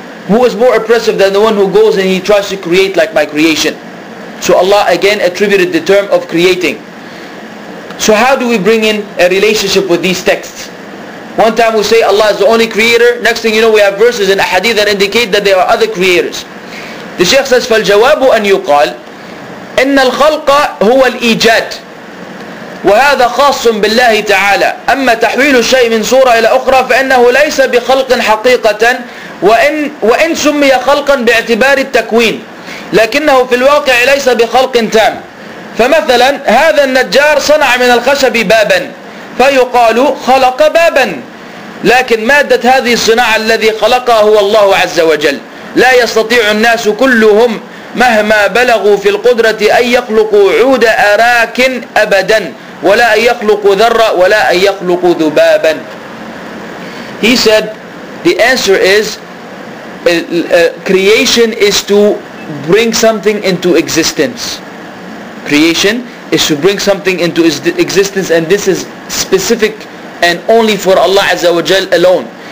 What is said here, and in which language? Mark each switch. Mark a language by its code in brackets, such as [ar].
[en] Who is more oppressive than the one who goes and he tries to create like my creation? So Allah again attributed the term of creating. So how do we bring in a relationship with these texts? One time we say Allah is the only creator. Next thing you know, we have verses in a hadith that indicate that there are other creators. The Shaykh says, [ar] فَالْجَوَابُ أَنْ يُقَالْ إِنَّ الْخَلْقَ هُوَ الْإِيجَادِ وَهَذَا خَاصٌ بِاللَّهِ تَعَالَى أَمَّا تَحْوِيلُ الشَّيْءِ مِنْ صُورَةٍ إِلَى أُخْرَى فَإِنَّهُ لَيْسَ بِخَلْقٍ حَقِيقَةً وَإِنْ سُمِّيَ خَلْقًا بِاعْتِبَارِ التَّكْوِينِ لَكِنَّهُ فِي الْوَاقِعِ لَيْسَ بِخَلْقٍ تَامٍ فمثلا هذا النجار صنع من الخشب بابا فيقال خلق بابا لكن مادة هذه الصناعة الذي خلقها هو الله عز وجل لا يستطيع الناس كلهم مهما بلغوا في القدرة أن يخلقوا عود أراك أبدا ولا أن يخلقوا ذرة ولا أن يخلقوا ذبابا. [en] He said, the answer is, creation is to bring something into existence. Creation is to bring something into existence, and this is specific and only for Allah Azza wa Jal alone.